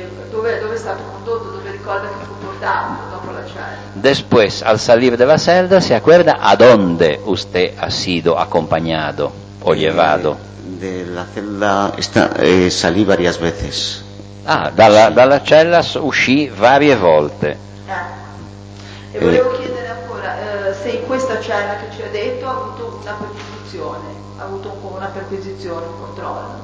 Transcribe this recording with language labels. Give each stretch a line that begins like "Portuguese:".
Italian: Dove è stato condotto? Dove ricorda che fu portato dopo la cella?
Spanish: Después, al salir de la celda, ¿se acuerda a dónde usted ha sido acompañado o llevado? De la celda salí varias veces.
Italian: Ah, dalla cella uscì varie volte. E volevo chiedere ancora se in questa cella che ci ha detto ha avuto una perquisizione, ha avuto una perquisizione, un controllo.